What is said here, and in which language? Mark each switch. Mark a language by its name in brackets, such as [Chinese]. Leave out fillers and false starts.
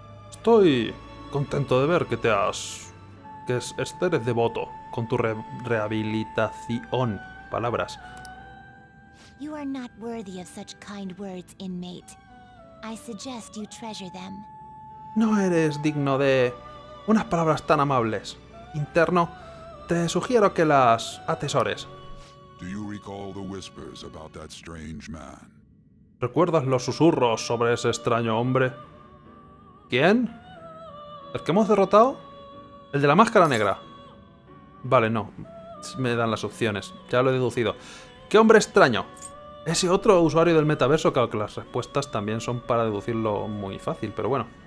[Spanish] Estoy contento de ver que te has... que eres devoto con tu rehabilitación. Palabras. [English] You are not worthy of such kind words, inmate. I suggest you treasure them. [Spanish] No eres digno de unas palabras tan amables. Interno, te sugiero que las atesores. [English] Do you recall the whispers about that strange man? [Spanish] ¿Recuerdas los susurros sobre ese extraño hombre? ¿Quién? ¿El que hemos derrotado? ¿El de la máscara negra? Vale, no. Me dan las opciones. Ya lo he deducido. ¿Qué hombre extraño? Ese otro usuario del metaverso, claro que las respuestas también son para deducirlo muy fácil, pero bueno.